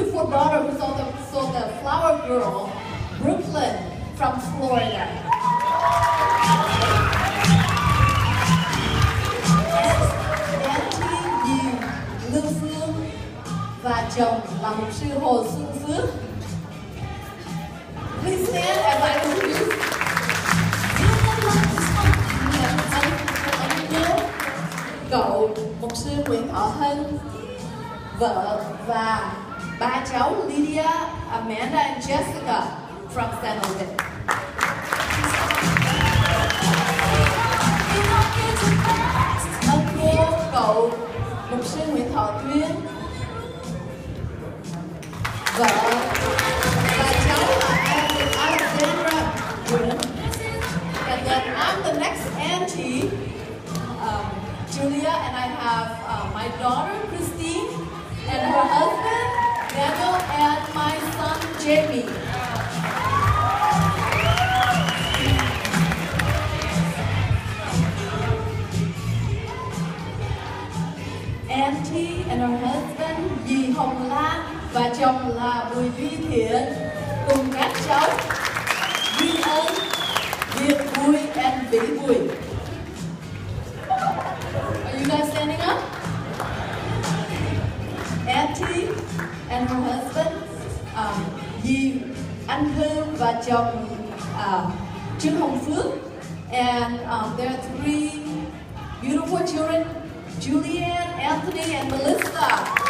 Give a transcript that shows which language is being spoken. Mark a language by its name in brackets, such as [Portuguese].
[English] Daughter who saw the flower girl, Brooklyn from Florida. And Auntie [Vietnamese] Yu Lu Phương và chồng là mục sư Hồ Xuân Phước. [English] Please stand as I introduce. [Vietnamese] Cậu mục sư Nguyễn Thọ Hân, vợ và ba cháu Lydia, Amanda, and Jessica [English] from San Jose. Uncle, [Vietnamese] cậu, mục sư Nguyễn Thọ Tuyên, vợ, ba cháu là Alexandra Nguyễn. [English] And then I'm the next auntie, Julia, and I have my daughter Christine and her husband Daniel and my son Jamie. Auntie and her husband [Vietnamese] Yi Hồng Lan và chồng là Bùi Duy Thiện cùng các cháu Duy Ân, Việt Bùi and Vĩ Bùi. [English] Are you guys standing up? Auntie and her husband, Yi Anh Thư [Vietnamese] và chồng [English] Trương Hồng Phước. And there are three beautiful children, Julianne, Anthony, and Melissa.